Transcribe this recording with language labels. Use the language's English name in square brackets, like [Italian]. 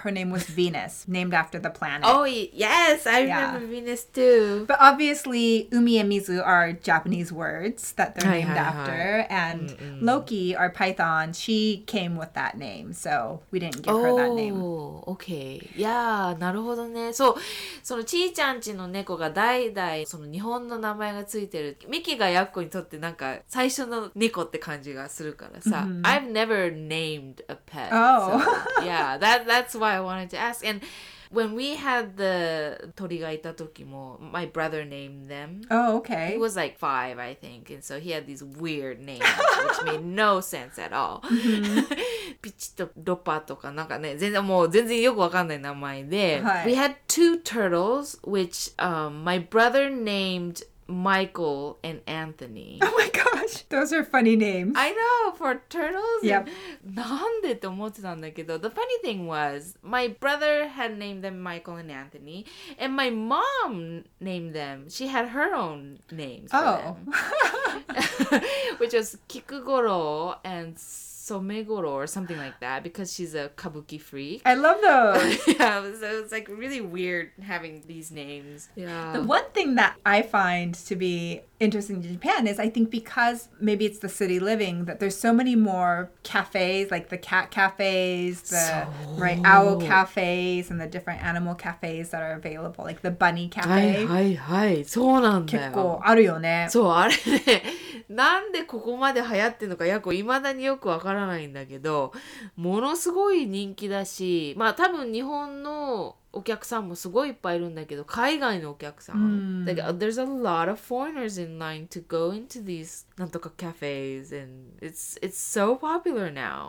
[English] Her name was Venus, named after the planet. Oh, yes. I remember Venus too. But obviously, Umi and Mizu are Japanese words that they're named after. And Loki, our python, she came with that name. So we didn't give her that name. Oh, okay. Yeah, [Japanese] なるほどね。そう。そのちーちゃんちの猫が代々その日本の名前がついてる。ミキがヤッコにとってなんか最初の猫って感じがするからさ。 [English] Mm-hmm. I've never named a pet. Oh. So, yeah, that's why I wanted to ask. And when we had the [Japanese] 鳥がいた時も [English] my brother named them. Oh, okay. He was like 5, I think. And so he had these weird names, which made no sense at all. Mm-hmm. [Japanese] ピチとロパとかなんかね、全然もう全然よくわかんない名前で。はい、 [English] we had two turtles, which my brother named Michael and Anthony. Oh my gosh, those are funny names. I know, for turtles? Yep. [Japanese] なんでって思ってたんだけど、 [English] the funny thing was, my brother had named them Michael and Anthony, and my mom named them, she had her own names for them. which was Kikugoro and Somegoro or something like that, because she's a kabuki freak. I love those. yeah, so it's like really weird having these names. Yeah. The one thing that I find to be interesting in Japan is I think because maybe it's the city living that there's so many more cafes, like the cat cafes, the right owl cafes, and the different animal cafes that are available, like the bunny cafe. [Japanese] はいはいはい、そうなんだよ。結構あるよね。そう、あれね。なんでここまで流行ってるのか、やっぱ未だによくわからないんだけど、ものすごい人気だし、まあ多分日本のお客さんもすごいいっぱいいるんだけど、海外のお客さん、 [English] like, there's a lot of foreigners in line to go into these [Japanese] なんとか [English] cafes and it's so popular now.